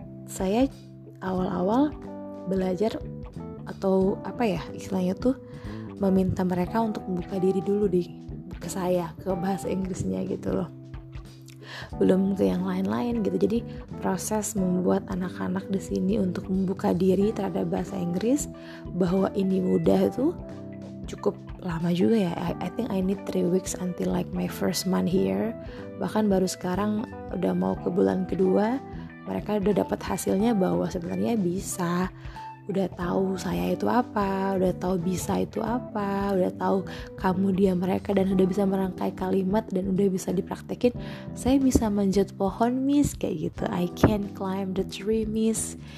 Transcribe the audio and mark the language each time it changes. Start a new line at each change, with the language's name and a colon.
Indonesian: Saya awal-awal belajar atau apa ya istilahnya tuh, meminta mereka untuk membuka diri dulu di ke saya, ke bahasa Inggrisnya gitu loh, belum ke yang lain-lain gitu. Jadi proses membuat anak-anak di sini untuk membuka diri terhadap bahasa Inggris, bahwa ini mudah, itu cukup lama juga ya.
English: I think I need 3 weeks until like my first month here.
Indonesian: Bahkan baru sekarang udah mau ke bulan kedua, mereka udah dapat hasilnya bahwa sebenarnya bisa, udah tahu saya itu apa, udah tahu bisa itu apa, udah tahu kamu dia mereka, dan udah bisa merangkai kalimat dan udah bisa dipraktekin. Saya bisa manjat pohon, miss, kayak gitu.
English: I can climb the tree, miss.